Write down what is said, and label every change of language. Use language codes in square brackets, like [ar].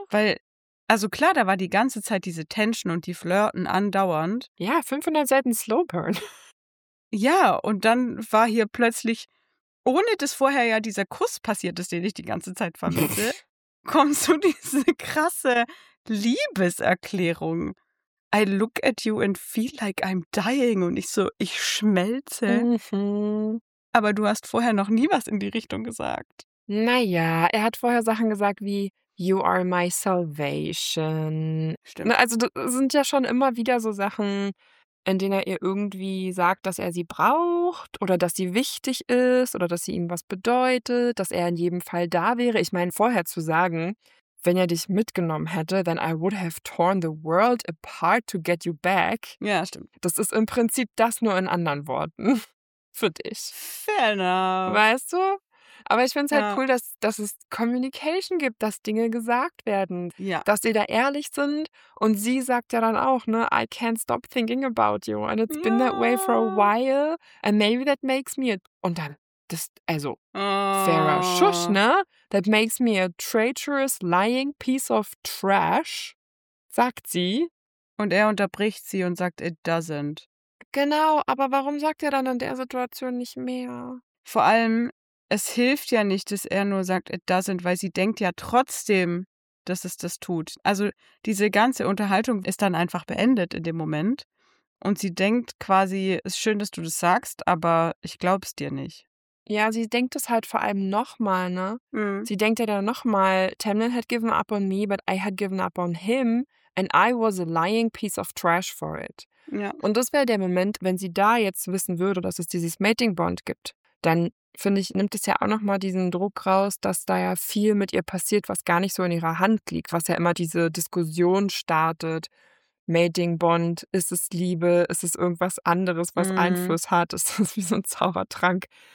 [de] Weil, also klar, da war die ganze Zeit diese Tension und die Flirten andauernd. Ja, 500 Seiten Slowburn. Ja, und dann war hier plötzlich, ohne dass vorher ja dieser Kuss passiert ist, den ich die ganze Zeit vermisse, kommt so diese krasse Liebeserklärung. [en] I look at you and feel like I'm dying. [de] Und ich so, ich schmelze. Mhm. Aber du hast vorher noch nie was in die Richtung gesagt. Naja, er hat vorher Sachen gesagt wie, [en] you are my salvation. [de] Stimmt. Also das sind ja schon immer wieder so Sachen, in denen er ihr irgendwie sagt, dass er sie braucht oder dass sie wichtig ist oder dass sie ihm was bedeutet, dass er in jedem Fall da wäre. Ich meine, vorher zu sagen, wenn er dich mitgenommen hätte, [en] then I would have torn the world apart to get you back. [de] Ja, stimmt. Das ist im Prinzip das nur in anderen Worten für dich. [en] Fair enough. [de] Weißt du? Aber ich finde es halt cool, dass es Communication gibt, dass Dinge gesagt werden. Ja. Dass sie da ehrlich sind. Und sie sagt ja dann auch, ne, [en] I can't stop thinking about you. And it's been that way for a while. And maybe that makes me... [de] Und dann... Das, also, Sarah, schusch, ne? [en] That makes me a traitorous, lying piece of trash, [de] sagt sie. Und er unterbricht sie und sagt, [en] it doesn't. [de] Genau, aber warum sagt er dann in der Situation nicht mehr? Vor allem, es hilft ja nicht, dass er nur sagt, [en] it doesn't, [de] weil sie denkt ja trotzdem, dass es das tut. Also, diese ganze Unterhaltung ist dann einfach beendet in dem Moment. Und sie denkt quasi, es ist schön, dass du das sagst, aber ich glaub's dir nicht. Ja, sie denkt es halt vor allem nochmal, ne? Mhm. Sie denkt ja dann nochmal, [en] Tamlin had given up on me, but I had given up on him and I was a lying piece of trash for it. [de] Ja. Und das wäre der Moment, wenn sie da jetzt wissen würde, dass es dieses Mating Bond gibt, dann, finde ich, nimmt es ja auch nochmal diesen Druck raus, dass da ja viel mit ihr passiert, was gar nicht so in ihrer Hand liegt, was ja immer diese Diskussion startet. Mating Bond, ist es Liebe, ist es irgendwas anderes, was Einfluss hat, ist das wie so ein Zaubertrank.